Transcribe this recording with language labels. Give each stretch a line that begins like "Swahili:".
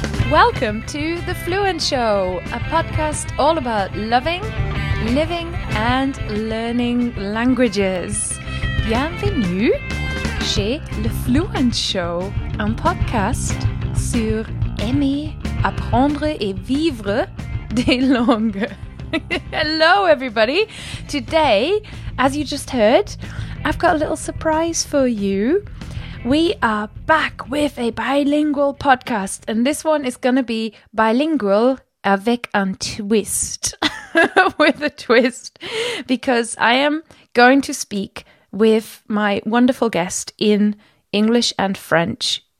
English: Welcome to The Fluent Show, a podcast all about loving, living, and learning languages.
French: Bienvenue chez Le Fluent Show, un podcast sur aimer, apprendre et vivre des langues.
English: Hello, everybody. Today, as you just heard, I've got a little surprise for you. We are back with a bilingual podcast, and this one is going to be bilingual
French: avec un twist,
English: with a twist, because I am going to speak with my wonderful guest in English and French.